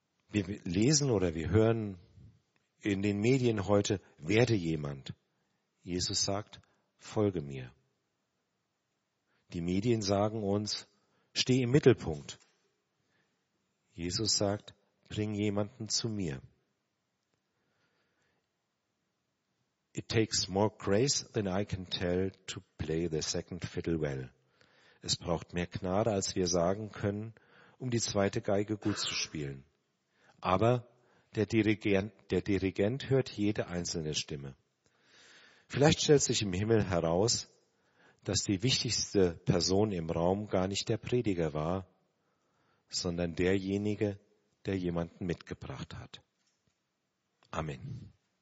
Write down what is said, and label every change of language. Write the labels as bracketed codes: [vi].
[de] Wir lesen oder wir hören in den Medien heute, werde jemand. Jesus sagt, folge mir. Die Medien sagen uns, steh im Mittelpunkt. Jesus sagt, bring jemanden zu mir. [en] It takes more grace than I can tell to play the second fiddle well. [de] Es braucht mehr Gnade, als wir sagen können, um die zweite Geige gut zu spielen. Aber der Dirigent hört jede einzelne Stimme. Vielleicht stellt sich im Himmel heraus, dass die wichtigste Person im Raum gar nicht der Prediger war, sondern derjenige, der jemanden mitgebracht hat. Amen.